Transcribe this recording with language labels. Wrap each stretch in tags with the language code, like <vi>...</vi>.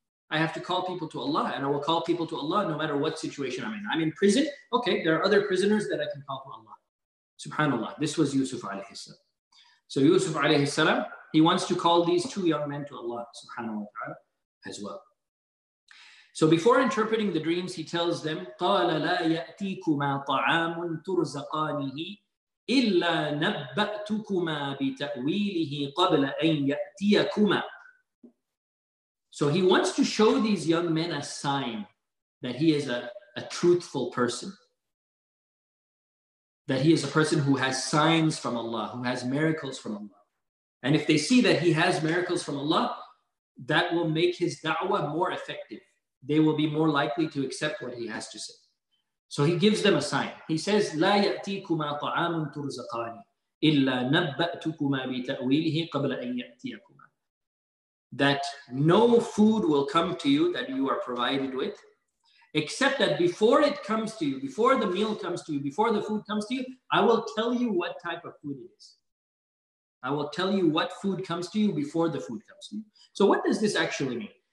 <en>I have to call people to Allah and I will call people to Allah no matter what situation I'm in. I'm in prison. Okay, there are other prisoners that I can call to Allah. Subhanallah. This was Yusuf alayhi salam. So Yusuf alayhi salam, he wants to call these two young men to Allah subhanahu wa ta'ala as well. So before interpreting the dreams, he tells them,</en> <ar>قَالَ لَا يَأْتِيكُمَا طَعَامٌ تُرْزَقَانِهِ إِلَّا نَبَّأْتُكُمَا بِتَأْوِيلِهِ قَبْلَ أَنْ يَأْتِيَكُمَا.</ar> <en>So he wants to show these young men a sign that he is a truthful person. That he is a person who has signs from Allah, who has miracles from Allah. And if they see that he has miracles from Allah, that will make his da'wah more effective. They will be more likely to accept what he has to say. So he gives them a sign. He says,</en> <ar>لَا يَأْتِيكُمَا طَعَامٌ تُرْزَقَانِ إِلَّا نَبَّأْتُكُمَا بِتَأْوِيلِهِ قَبْلَ أَنْ يَأْتِيَكُمَا.</ar> <en>That no food will come to you that you are provided with, except that before it comes to you, before the meal comes to you, before the food comes to you, I will tell you what type of food it is. I will tell you what food comes to you before the food comes to you. So what does this actually mean?</en>